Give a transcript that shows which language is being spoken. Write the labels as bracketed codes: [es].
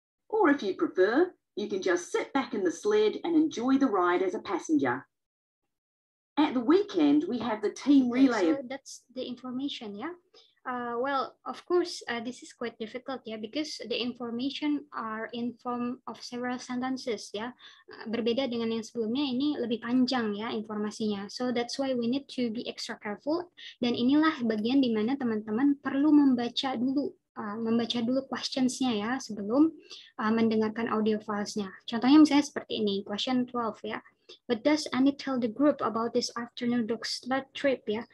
[en] Or if you prefer, you can just sit back in the sled and enjoy the ride as a passenger. At the weekend, we have the team relay. So that's the information, yeah? Well, of course, this is quite difficult, yeah, because the information are in form of several sentences, yeah. [id] Berbeda dengan yang sebelumnya, ini lebih panjang, ya, informasinya. [en] So that's why we need to be extra careful. [id] Dan inilah bagian di mana teman-teman perlu membaca dulu questions-nya, ya, sebelum mendengarkan audio files-nya. Contohnya misalnya seperti ini, question 12, ya. [en] But does Annie tell the group about this afternoon dog sled trip, ya?